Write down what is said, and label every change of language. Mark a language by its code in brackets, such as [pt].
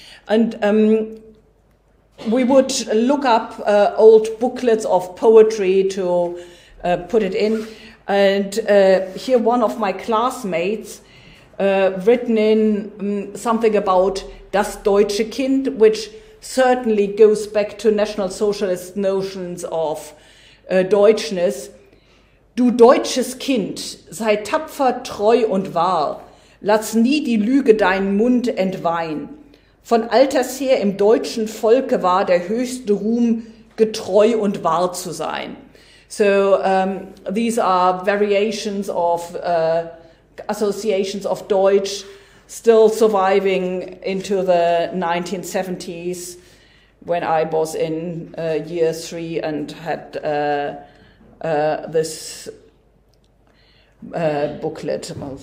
[en] And we would look up old booklets of poetry to put it in. And here one of my classmates written in something about [de] das deutsche Kind, [en] which certainly goes back to National Socialist notions of Deutschness. [de] Du deutsches Kind, sei tapfer, treu und wahr. Lass nie die Lüge deinen Mund entweihen. Von alters her im deutschen Volke war der höchste Ruhm, getreu und wahr zu sein. [en] So these are variations of associations of Deutsch still surviving into the 1970s when I was in year three and had this booklet.